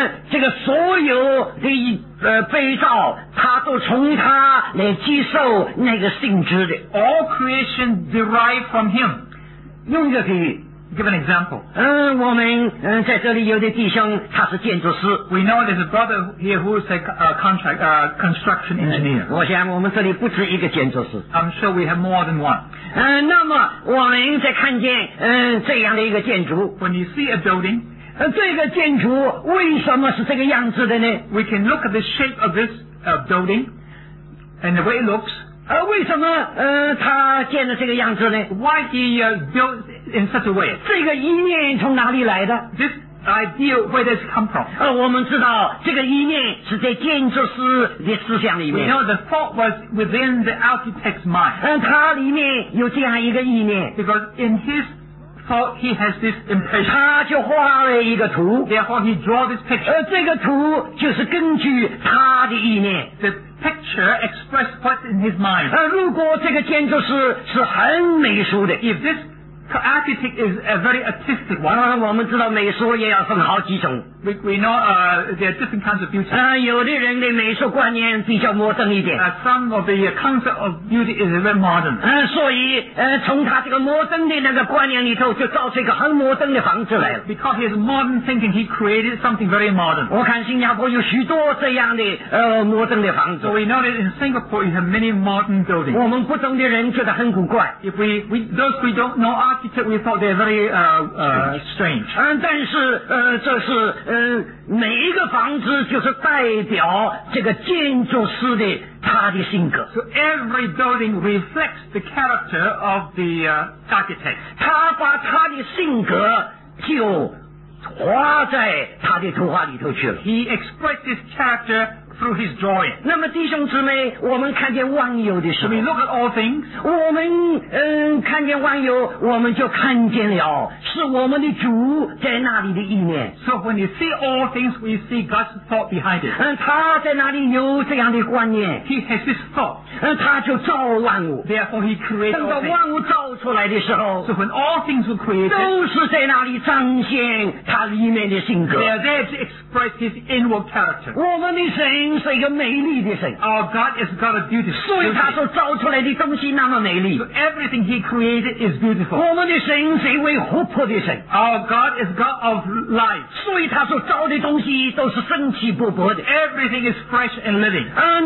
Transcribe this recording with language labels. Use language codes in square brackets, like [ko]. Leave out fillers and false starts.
[zh] 这个所有的被造他都从他来接受那个性质的。 [en] All creation derived from him. [zh] 用一个比喻 [en] ，give an example。 [zh] 我们在这里有的弟兄他是建筑师 [en] ，we know there's a brother here who is a construction engineer。 [zh] 我想我们这里不止一个建筑师 [en] ，I'm sure we have more than one。 [zh] 那么我们在看见这样的一个建筑 [en] ，when you see a building， [zh] 这个建筑为什么是这个样子的呢 [en] ？We can look at the shape of this building and the way it looks。 [zh] 为什么他建的这个样子呢 [en] ？Why he built in such a way？ [zh] 这个意念从哪里来的 [en] ？This idea where does it come from？ [zh] 我们知道这个意念是在建筑师的思想里面。 [en] We know the thought was within the architect's mind。 [zh] 他里面有这样一个意念。 [en] Because in his thought he has this impression。 [zh] 他就画了一个图。 [en] Therefore he draw this picture。 [zh] 这个图就是根据他的意念。 [en] Picture expressed what's in his mind. [zh] 如果这个建筑师是很美术的 [en] ，if this architect is a very artistic one, [zh] 我们知道美术也要分好几种。 [en] We know there are different kinds of beauty. [zh] 有的人的美术观念比较摩登一点。 [en] Some of the concept of beauty is very modern. [zh] 所以从他这个摩登的那个观念里头，就造出一个很摩登的房子来了。 [en] Because he is modern thinking, he created something very modern. [zh] 我看新加坡有许多这样的摩登的房子。 [en] So we know that in Singapore, you have many modern buildings. [zh] 我们不懂的人觉得很古怪。 [en] If we those we don't know architect, we thought they're very strange. [zh] 但是这是每一个房子就是代表这个建筑师的他的性格。 [en] So every building reflects the character of the architect. [zh] 他把他的性格就画在他的图画里头去了。 [en] He expressed his character through His joy. [zh] 那么弟兄姊妹，我们看见万有的时候 [en] ，We look at all things. [zh] 我们看见万有，我们就看见了，是我们的主在那里的意念。 [en] So when you see all things, we see God's thought behind it. [zh] 他在那里有这样的观念 [en] ，He has this thought. [zh] 他就造万物 [en] ，Therefore He created all things. [zh] 等到万物造出来的时候 [en] ，So when all things were created, [zh] 都是在那里彰显他里面的性格 [en] ，They are there to express His inward character. [zh] 我们的神。是一个美丽的神 [en] Our God is God of beauty. [zh] 所以他所造出来的东西那么美丽 [en] So everything He created is beautiful. [zh] 我们的神是一位活泼的神 [en] Our God is God of life. [zh] 所以他所造的东西都是生气勃勃的 [en] Everything is fresh and living.